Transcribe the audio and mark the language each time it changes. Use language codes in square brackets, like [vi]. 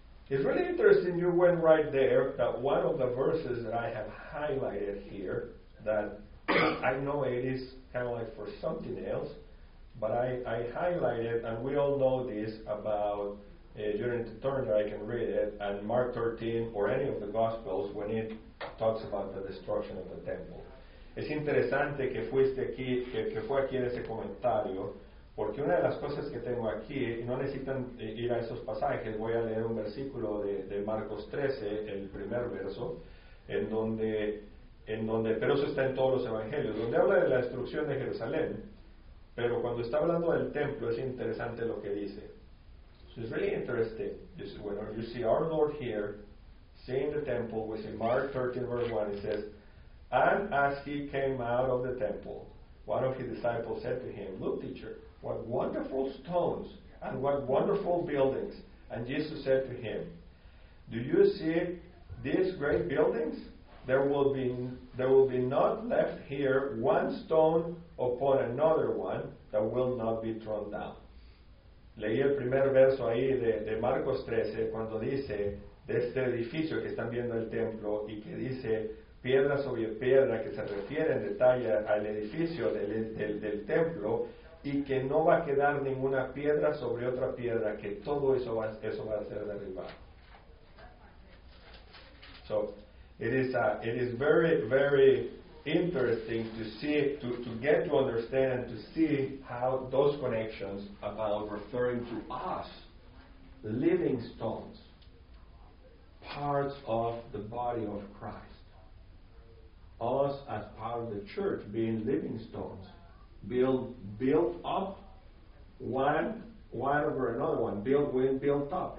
[en] It's really interesting you went right there, that one of the verses that I have highlighted here, that I know it is kind of like for something else, but I highlighted, and we all know this about during the turn that I can read it, and Mark 13 or any of the Gospels when it talks about the destruction of the temple. [es] Es interesante que fuiste aquí, que fue aquí en ese comentario, porque una de las cosas que tengo aquí, no necesitan ir a esos pasajes, voy a leer un versículo de Marcos 13, el primer verso, en donde, pero eso está en todos los evangelios, donde habla de la destrucción de Jerusalén, pero cuando está hablando del templo es interesante lo que dice. [en] So it's really interesting. This is when you see our Lord here, seeing the temple. We see Mark 13, verse 1. It says, "And as he came out of the temple, one of his disciples said to him, 'Look, teacher, what wonderful stones and what wonderful buildings!' And Jesus said to him, 'Do you see these great buildings? There will be not left here one stone upon another one that will not be thrown down.'" [es] Leí el primer verso ahí de Marcos 13, cuando dice de este edificio que están viendo el templo, y que dice piedra sobre piedra, que se refiere en detalle al edificio del templo, y que no va a quedar ninguna piedra sobre otra piedra, que todo eso va a ser derribado. [en] So, it is very, very interesting to see, to get to understand and to see how those connections about referring to us, living stones, parts of the body of Christ, us as part of the church being living stones, built up one over another one, built up.